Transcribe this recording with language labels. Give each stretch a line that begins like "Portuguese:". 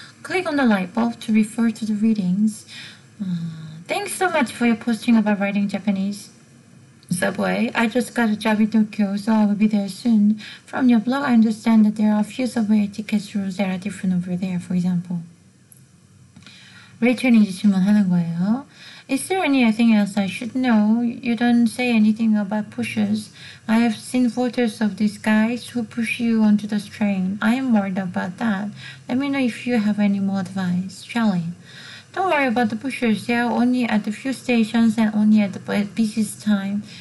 English: Click on the light bulb to refer to the readings. Thanks so much for your posting about writing Japanese. Subway. I just got a job in Tokyo, so I will be there soon. From your blog, I understand that there are a few subway etiquette rules that are different over there, for example.
Korean: 레이첼이 질문하는 거예요.
English: Is there anything else I should know? You don't say anything about pushers. I have seen photos of these guys who push you onto the train. I am worried about that. Let me know if you have any more advice, Charlie. Don't worry about the pushers. They are only at a few stations and only at the busiest time.